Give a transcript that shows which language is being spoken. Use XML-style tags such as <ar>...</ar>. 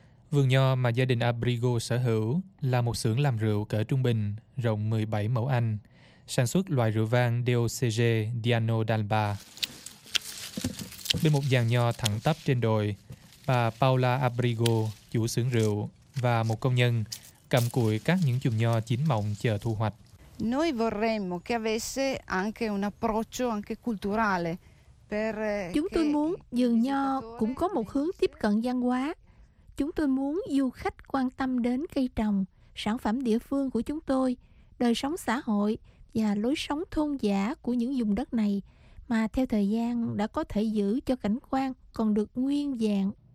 <vi>Vườn nho mà gia đình Abrigo sở hữu là một xưởng làm rượu cỡ trung bình, rộng 17 mẫu Anh, sản xuất loại rượu vang DOCG Diano d'Alba. Bên một dàn nho thẳng tắp trên đồi, bà Paula Abrigo, chủ xưởng rượu, và một công nhân cầm cuội cắt những chùm nho chín mọng chờ thu hoạch.</vi> <it>Noi vorremmo che avesse anche un approccio anche culturale.</it> <vi>Chúng tôi muốn vườn nho cũng có một hướng tiếp cận văn hóa. Chúng tôi muốn du khách quan tâm đến cây trồng, sản phẩm địa phương của chúng tôi, đời sống xã hội và lối sống thôn dã của những vùng đất này mà theo thời gian đã có thể giữ cho cảnh quan còn được nguyên vẹn.</vi>